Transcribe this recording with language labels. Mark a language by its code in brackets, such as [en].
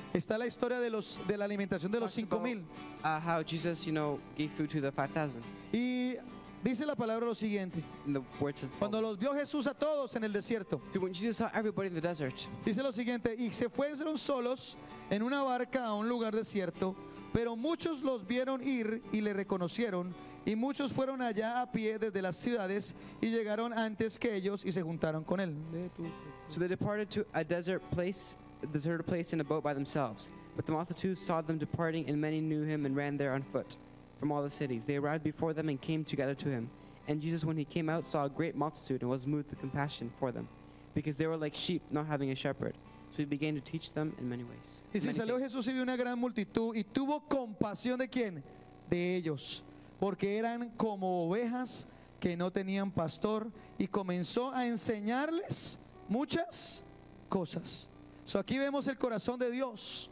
[es] está la historia de la alimentación de los 5,000. [en] How Jesus, you know, gave food to the 5,000. [es] Y dice la palabra lo siguiente. Cuando los vio Jesús a todos en el desierto. [en] So when Jesus saw everybody in the desert. [es] Dice lo siguiente, y se fueron solos en una barca a un lugar desierto, pero muchos los vieron ir y le reconocieron. Y muchos fueron allá a pie desde las ciudades y llegaron antes que ellos y se juntaron con él. [en] So they departed to a desert place, deserted place in a boat by themselves. But the multitudes saw them departing and many knew him and ran there on foot from all the cities. They arrived before them and came together to him. And Jesus, when he came out, saw a great multitude and was moved with compassion for them, because they were like sheep not having a shepherd. So he began to teach them in many ways. [es] Y si salió Jesús y vio una gran multitud y tuvo compasión de quién? De ellos. Porque eran como ovejas que no tenían pastor y comenzó a enseñarles muchas cosas. So aquí vemos el corazón de Dios.